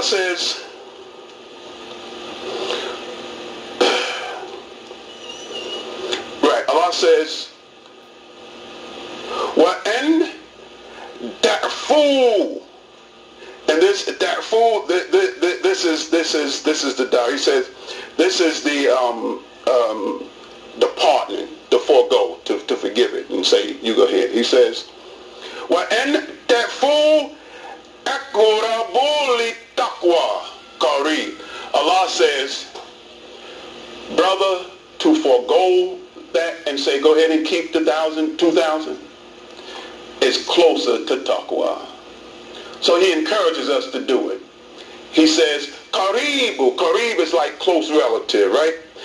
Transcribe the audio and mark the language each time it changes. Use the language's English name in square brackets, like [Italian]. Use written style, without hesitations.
[English] Allah says, right, Allah says, [Arabic] وَأَنْ تَعْفُوا. [English] And this تَعْفُوا, this is the da. He says, this is the the pardoning, the forego, to forgive it and say, you go ahead. He says, [Arabic] وَأَنْ تَعْفُوا أَقْرَبُ لِتَقْوَى قَرِيبٌ. [English] Allah says, brother, to forego that and say, go ahead and keep the 2,000 is closer to taqwa. So he encourages us to do it. He says, qaribu, qarib is like close relative, right?